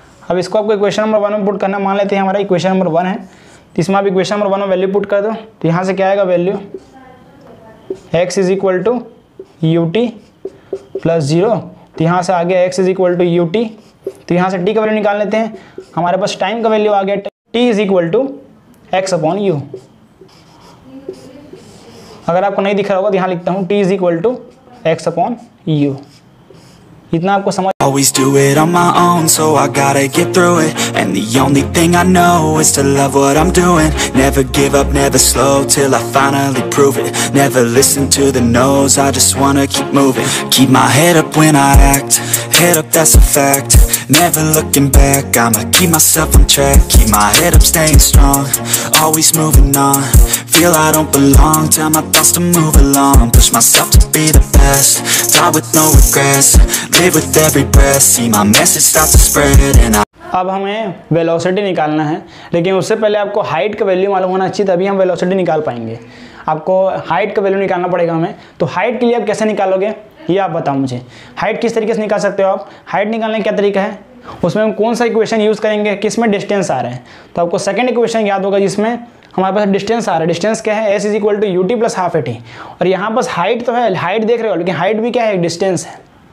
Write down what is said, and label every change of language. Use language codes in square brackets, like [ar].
[hi] अब इसको आपको इक्वेशन नंबर वन में पुट करना, मान लेते हैं हमारा इक्वेशन नंबर वन है, इसमें आप इक्वेशन नंबर वन में वैल्यू पुट कर दो, तो यहाँ से क्या आएगा value, [en] x is equal to u t plus zero, [hi] तो यहाँ से आ गया x is equal to U T, तो यहाँ से t का वैल्यू निकाल लेते हैं, हमारे पास टाइम का वैल्यू आ गया [en] t is equal to x upon u, [hi] अगर आपको नहीं दिख रहा होगा तो यहाँ लिखता हूँ t is equal to x upon u, इतना आपको समझ। [en] Always do it on my own, so I gotta get through it. And the only thing I know is to love what I'm doing. Never give up, never slow, till I finally prove it. Never listen to the no's, I just wanna keep moving. Keep my head up when I act, head up, that's a fact. Never looking back, I'ma keep myself on track. Keep my head up, staying strong, always moving on. Feel I don't belong, tell my thoughts to move along. Push myself to be the best, die with no regrets. Live with every breath, see my message start to spread and I. [hi] अब हमें velocity निकालना है, लेकिन उससे पहले आपको height का value मालूम होना चाहिए, तभी हम वेलोसिटी निकाल पाएंगे। आपको हाइट का वैल्यू निकालना पड़ेगा हमें, तो हाइट के लिए आप कैसे निकालोगे ये आप बताओ मुझे, हाइट किस तरीके से निकाल सकते हो आप, हाइट निकालने का क्या तरीका है, उसमें हम कौन सा इक्वेशन यूज़ करेंगे, किस में डिस्टेंस आ रहा है, तो आपको सेकेंड इक्वेशन याद होगा जिसमें हमारे पास डिस्टेंस आ रहा है, डिस्टेंस क्या है, [en] s is equal to u t plus half a t, [hi] और यहाँ पास हाइट तो है, हाइट देख रहे हो, लेकिन हाइट भी क्या है, डिस्टेंस है,